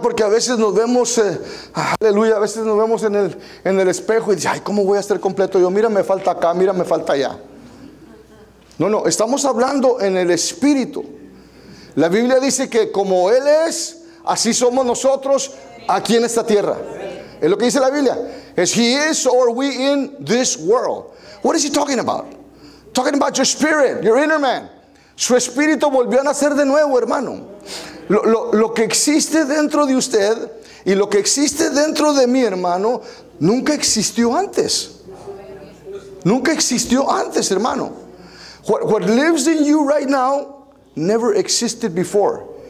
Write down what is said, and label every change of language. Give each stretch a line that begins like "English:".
Spanish: Porque a veces nos vemos, aleluya, a veces nos vemos en el espejo y dice, ay, ¿cómo voy a ser completo? Yo, mira, me falta acá, mira, me falta allá. No, no, estamos hablando en el espíritu. La Biblia dice que como Él es, así somos nosotros aquí en esta tierra. Es lo que dice la Biblia.
English: As He is, or we in this world. What is he talking about? Talking about your spirit, your inner man.
Spanish: Su espíritu volvió a nacer de nuevo, hermano. Lo que existe dentro de usted y lo que existe dentro de mí, hermano, nunca existió antes. Nunca existió antes, hermano.
English: What lives in you right now never existed before.